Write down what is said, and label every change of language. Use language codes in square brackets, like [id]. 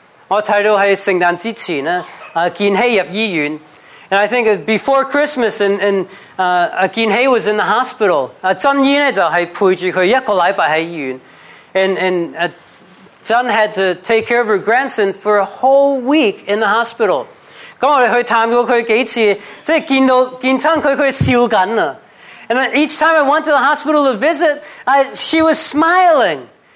[en] And I think before Christmas Kinhei was in the hospital. And Zhan had to take care of her grandson for a whole week in the hospital. [yue] 我们去探过她几次，见到见亲她，她笑紧。 [en] And each time I went to the hospital to visit, she was smiling.